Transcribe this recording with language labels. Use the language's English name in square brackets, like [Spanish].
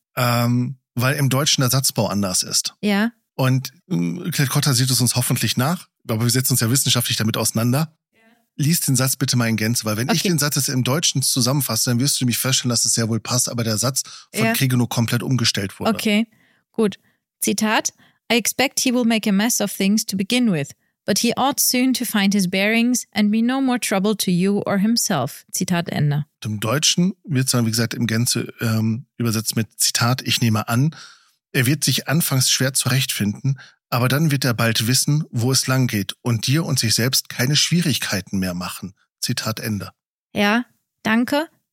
[German] Weil im Deutschen der Satzbau anders ist. Ja. Und Claire Cotter sieht es uns hoffentlich nach, aber wir setzen uns ja wissenschaftlich damit auseinander. Ja. Lies den Satz bitte mal in Gänze, weil wenn okay. Ich den Satz jetzt im Deutschen zusammenfasse, dann wirst du mich feststellen, dass es sehr wohl passt, aber der Satz von Kriege nur komplett umgestellt wurde. Okay, gut. Zitat. [English] I expect he will make a mess of things to begin with, but he ought soon to find his bearings and be no more trouble to you or himself. [German] Zitat Ende. Im Deutschen wird es dann, wie gesagt, im Gänze übersetzt mit Zitat. Ich nehme an, er wird sich anfangs schwer zurechtfinden, aber dann wird er bald wissen, wo es lang geht und dir und sich selbst keine Schwierigkeiten mehr machen. Zitat Ende. Ja, danke.